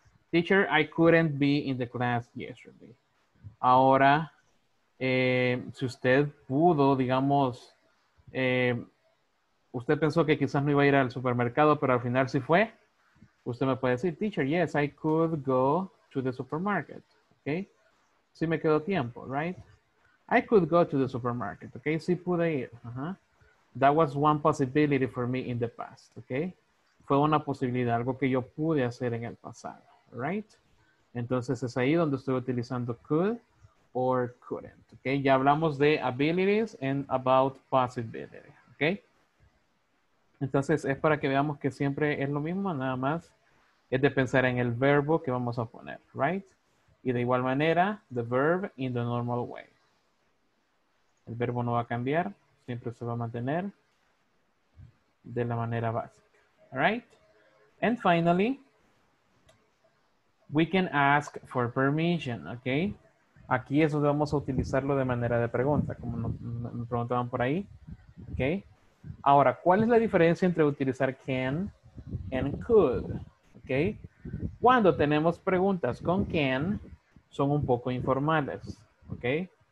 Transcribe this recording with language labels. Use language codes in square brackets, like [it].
[en] Teacher, I couldn't be in the class yesterday. [es] Ahora, si usted pudo, digamos, usted pensó que quizás no iba a ir al supermercado, pero al final sí fue. Usted me puede decir, [en] teacher, yes, I could go to the supermarket, okay? [es] Sí me quedó tiempo, [en] right? I could go to the supermarket, okay? [es] Sí pude ir, [en] That was one possibility for me in the past, okay? [es] Fue una posibilidad, algo que yo pude hacer en el pasado, right? Entonces, es ahí donde estoy utilizando could or couldn't, okay? Ya hablamos de [en] abilities and about possibility, okay? [es] Entonces, es para que veamos que siempre es lo mismo, nada más es de pensar en el verbo que vamos a poner, right? Y de igual manera, [en] the verb in the normal way. [es] El verbo no va a cambiar, siempre se va a mantener de la manera básica, right? [en] And finally, we can ask for permission, okay? [es] Aquí es donde vamos a utilizarlo de manera de pregunta, como me preguntaban por ahí, okay? Ahora, ¿cuál es la diferencia entre utilizar can and could? Okay. Cuando tenemos preguntas con can, son un poco informales, ¿ok?